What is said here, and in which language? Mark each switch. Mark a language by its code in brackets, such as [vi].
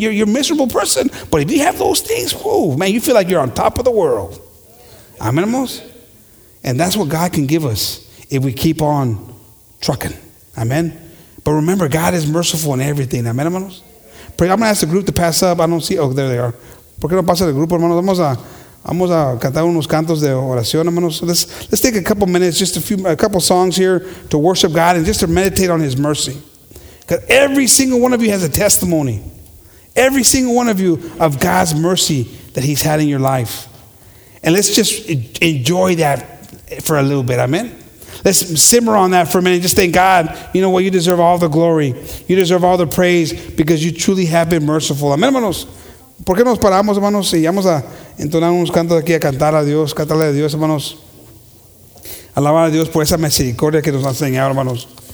[en] You're a miserable person. But if you have those things, whoa, man, you feel like you're on top of the world. Amen, hermanos? And that's what God can give us if we keep on trucking. Amen? But remember, God is merciful in everything. Amen, hermanos? Pray, I'm going to ask the group to pass up. I don't see. Oh, there they are. [es] ¿Por qué no pasa el grupo, hermanos? Vamos a cantar unos cantos de oración, hermanos. [en] Let's take a couple minutes, just a couple songs here to worship God and just to meditate on his mercy. Because every single one of you has a testimony. Every single one of you of God's mercy that he's had in your life. And let's just enjoy that for a little bit. Amen? Let's simmer on that for a minute. Just thank God. You know what? You deserve all the glory. You deserve all the praise because you truly have been merciful. [es] Amen, hermanos. ¿Por qué nos paramos, hermanos? Y vamos a entonar unos cantos aquí a cantar a Dios. Cantarle a Dios, hermanos. Alabar a Dios por esa misericordia que nos ha enseñado, hermanos.